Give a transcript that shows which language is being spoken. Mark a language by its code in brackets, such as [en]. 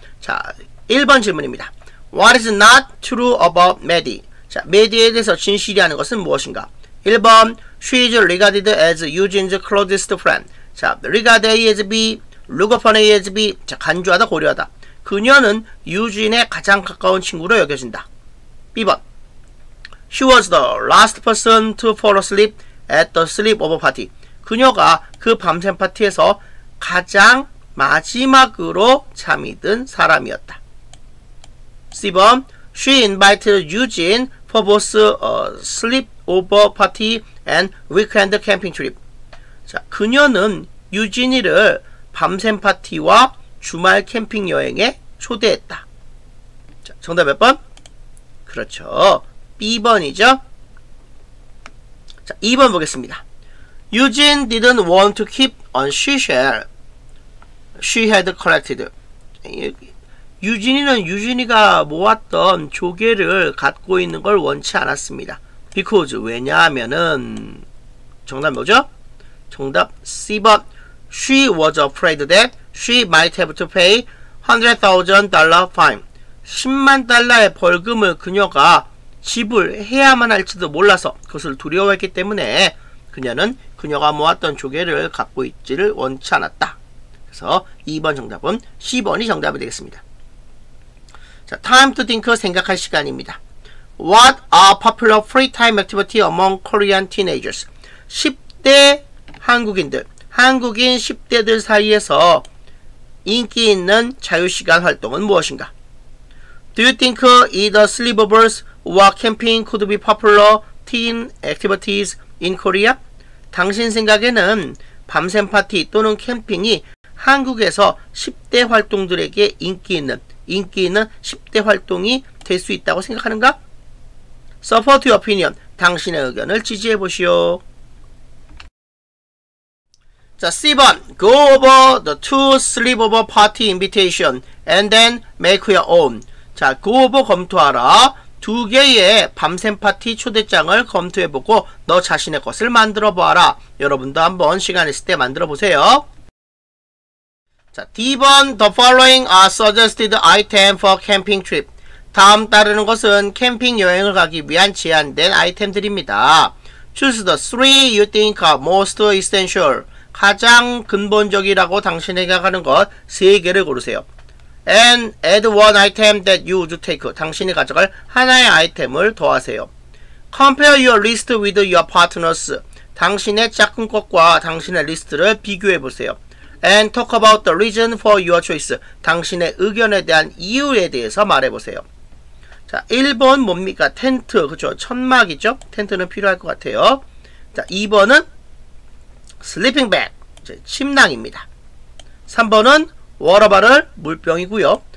[en] 자, 1번 질문입니다. What is not true about Maddie? [ko] 자, Maddie에 대해서 진실이 하는 것은 무엇인가? 1번, she is regarded as Eugene's closest friend. 자, regarded as B, look upon as B. 자, 간주하다, 고려하다. 그녀는 유진의 가장 가까운 친구로 여겨진다. B번. [en] She was the last person to fall asleep at the sleepover party. [ko] 그녀가 그 밤샘 파티에서 가장 마지막으로 잠이 든 사람이었다. [en] C번. She invited Eugene for both sleepover party and weekend camping trip. [ko] 자, 그녀는 유진이를 밤샘 파티와 주말 캠핑 여행에 초대했다. 자, 정답 몇 번? 그렇죠. B번이죠. [en] 자, 2번 보겠습니다. Eugene didn't want to keep on seashell she had collected. [ko] 유진이는 유진이가 모았던 조개를 갖고 있는 걸 원치 않았습니다. Because 왜냐하면은 정답 뭐죠? 정답 C번. [en] She was afraid that she might have to pay $100,000 fine. [ko] 10만 달러의 벌금을 그녀가 지불해야만 할지도 몰라서 그것을 두려워했기 때문에 그녀는 그녀가 모았던 조개를 갖고 있지를 원치 않았다. 그래서 2번 정답은 C번이 정답이 되겠습니다. 자, time to think, 생각할 시간입니다. [en] What are popular free time activity among Korean teenagers? [ko] 10대 한국인들, 한국인 10대들 사이에서 인기 있는 자유시간 활동은 무엇인가? [en] Do you think either sleepovers or camping could be popular teen activities in Korea? [ko] 당신 생각에는 밤샘 파티 또는 캠핑이 한국에서 10대 활동들에게 인기 있는 10대 활동이 될 수 있다고 생각하는가? [en] Support your opinion. [ko] 당신의 의견을 지지해 보시오. 자, C번. [en] Go over the two sleepover party invitation and then make your own. [ko] 자, go over 검토하라. 두 개의 밤샘 파티 초대장을 검토해보고 너 자신의 것을 만들어보아라. 여러분도 한번 시간 있을 때 만들어보세요. 자, D번. [en] The following are suggested items for camping trip. [ko] 다음 따르는 것은 캠핑 여행을 가기 위한 제안된 아이템들입니다. [en] Choose the three you think are most essential. [ko] 가장 근본적이라고 당신이 생각하는 것 세 개를 고르세요. [en] And add one item that you would take. [ko] 당신이 가져갈 하나의 아이템을 더하세요. [en] Compare your list with your partner's. [ko] 당신의 짝꿍것과 당신의 리스트를 비교해보세요. And talk about the reason for your choice. 당신의 의견에 대한 이유에 대해서 말해보세요. 자, 1번 뭡니까? 텐트. 그렇죠. 천막이죠. 텐트는 필요할 것 같아요. 자, 2번은 Sleeping bag, 침낭입니다. 3번은 워터바를, 물병이고요.